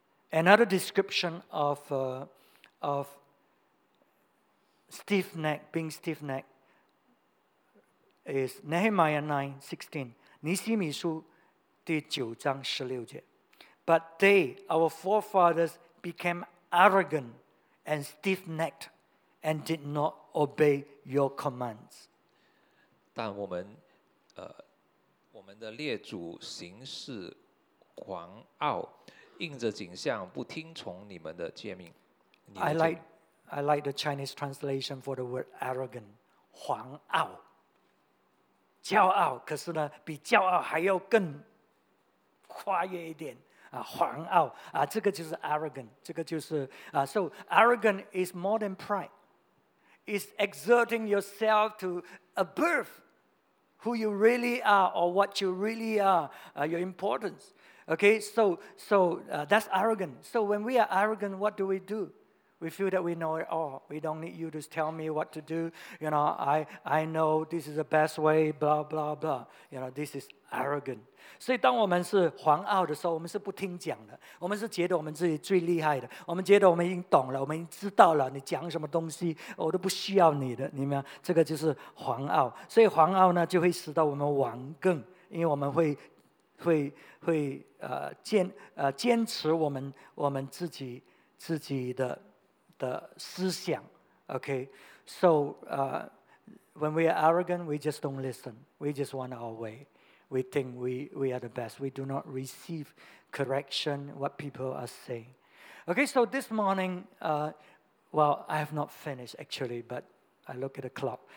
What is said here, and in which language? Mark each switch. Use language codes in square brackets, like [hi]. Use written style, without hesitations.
[en] Another description of stiff neck, being stiff neck, is Nehemiah 9:16, [zh] 尼希米书第九章十六节。 [en] But they, our forefathers, became arrogant and stiff-necked, and did not obey your commands. [zh] 但我们的列祖行事狂傲，硬着颈项，不听从你们的诫命。 [en] I like the Chinese translation for the word arrogant, 狂傲。 [zh] 骄傲，可是呢，比骄傲还要更跨越一点啊，狂傲啊，这个就是 arrogant， 这个就是啊 [en] ，so arrogant is more than pride， is exerting yourself to above who you really are or what you really are， your importance， okay， so that's arrogant。 So when we are arrogant， what do? We feel that we know it all. We don't need you to tell me what to do. You know, I know this is the best way, blah, blah, blah. You know, this is arrogant. [zh] 所以当我们是狂傲的时候，我们是不听讲的。我们是觉得我们自己最厉害的。我们觉得我们已经懂了，我们已经知道了你讲什么东西，我都不需要你的，你们，这个就是狂傲。所以狂傲呢，就会使到我们顽梗，因为我们会坚持我们自己的的思想 ，okay. [en] So, when we are arrogant, we just don't listen. We just want our way. We think we are the best. We do not receive correction what people are saying. Okay. So this morning, I have not finished actually, but I look at the clock.